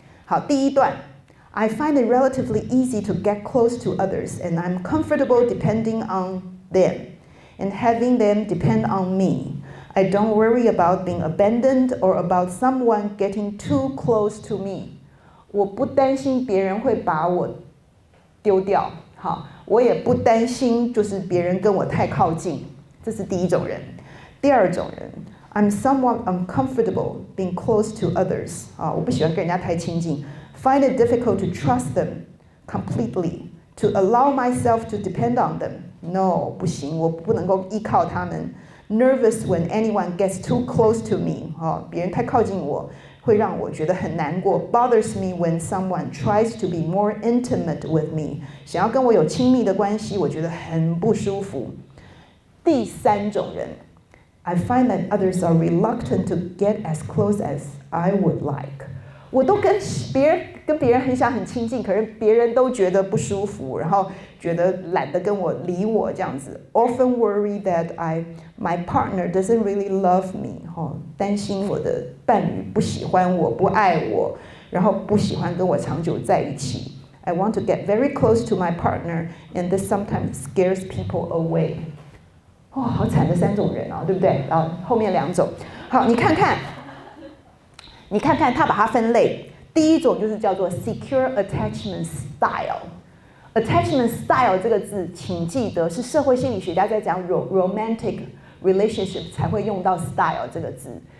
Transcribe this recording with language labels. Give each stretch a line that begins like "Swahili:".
Chinese: 好，第一段
English: ，I find it relatively easy to get close to others and I'm comfortable depending on them and having them depend on me。 I don't worry about being abandoned or about someone getting too close to me。
Chinese: 我不担心别人会把我丢掉，好，我也不担心就是别人跟我太靠近。这是第一种人。第二种人
English: ，I'm somewhat uncomfortable being close to others。
Chinese: 啊，我不喜欢跟人家太亲近。
English: Find it difficult to trust them completely, to allow myself to depend on them。
Chinese: No， 不行，我不能够依靠他们。
English: Nervous when anyone gets too close to me，
Chinese: 哦，别人太靠近我，会让我觉得很难过。
English: Bothers me when someone tries to be more intimate with me，
Chinese: 想要跟我有亲密的关系，我觉得很不舒服。第三种人
English: ，I find that others are reluctant to get as close as I would like。
Chinese: 我都跟别人很想很亲近，可是别人都觉得不舒服，然后觉得懒得跟我理我这样子。
English: Often worry that my partner doesn't really love me，
Chinese: 哈，担心我的伴侣不喜欢我，不爱我，然后不喜欢跟我长久在一起。
English: I want to get very close to my partner， and this sometimes scares people away。
Chinese: 哇，好惨的三种人啊，对不对？啊，后面两种，好，你看看，他把它分类。第一种就是叫做 secure attachment style。 Attachment style 这个字，请记得是社会心理学家在讲 romantic relationship 才会用到 style 这个字。